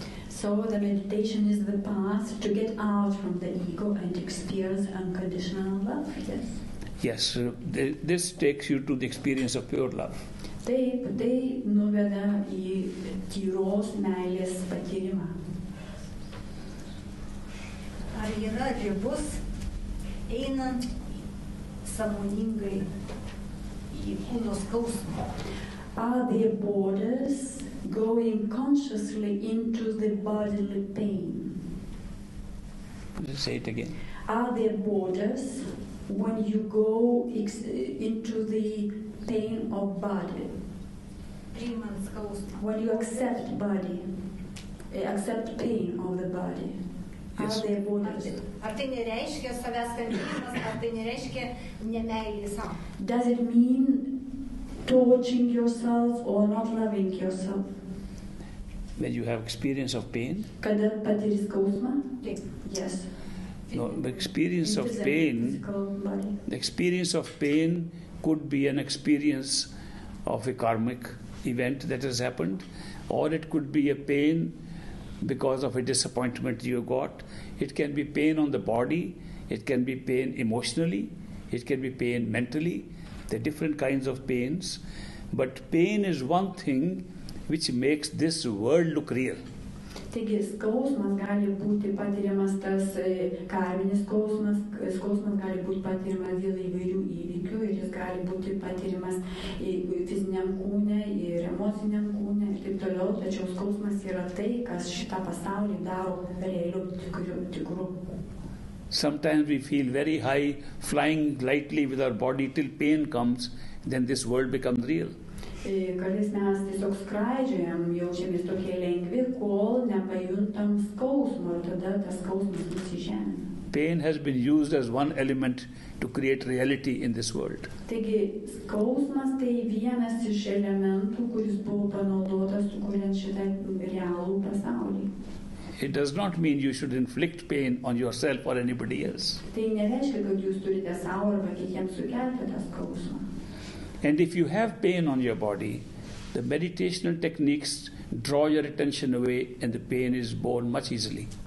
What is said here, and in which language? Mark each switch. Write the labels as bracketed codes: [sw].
[en] So the meditation is the path to get out from the ego and experience unconditional love, yes? Yes, this takes you to the experience of pure love. [lt] Taip, tai nuveda į tyros meilės patyrimą. Ar yra ribos einant sąmoningai į kūno skausmą? [en] Are there borders going consciously into the bodily pain? Say it again. Are there borders when you go into the pain of body? When you accept body, accept pain of the body, yes. Are there borders? [lt] Ar tai nereiškia savęs kankinimas, ar tai nereiškia nemeilį sau? [en] Does it mean torturing yourself or not loving yourself? When you have experience of pain? [lt] Kada patiri skausmą? [en] Yes. No, the experience of pain, the experience of pain could be an experience of a karmic event that has happened, or it could be a pain because of a disappointment you got. It can be pain on the body, it can be pain emotionally, it can be pain mentally, the different kinds of pains. But pain is one thing which makes this world look real. [lt] Taigi, skausmas gali būti patiriamas tas karminis skausmas, skausmas gali būti patiriamas dėl įvairių įvykių ir jis gali būti patiriamas į fiziniam kūne ir emociniam kūne ir taip toliau, tačiau skausmas yra tai, kas šitą pasaulį daro realiu tikru. [en] Sometimes we feel very high, flying lightly with our body till pain comes, then this world becomes real. [lt] Kartais mes tiesiog skraidžiojam, jaučiamės tokie lengvi, kol nepajuntam skausmo, ir tada tas skausmas nusižemina. [en] pain has been used as one element to create reality in this world. [lt] Taigi, skausmas tai vienas iš elementų, kuris buvo panaudotas sukuriant šitą realų pasaulį. [en] It does not mean you should inflict pain on yourself or anybody else. [lt] Tai nereiškia, kad jūs turite savo arba kitiems sukelti tą skausmą. [en] And if you have pain on your body, the meditational techniques draw your attention away and the pain is borne much easily.